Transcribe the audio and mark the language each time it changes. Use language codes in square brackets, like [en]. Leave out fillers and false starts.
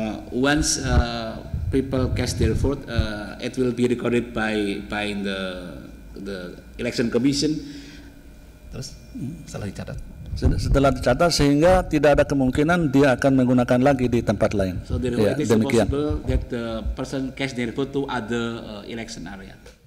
[en] Once people cast their vote, it will be recorded by the election commission. [id] Terus setelah dicatat. Setelah dicatat sehingga tidak ada kemungkinan dia akan menggunakan lagi di tempat lain. [en] So there will be possible that the person cast their vote to other election area.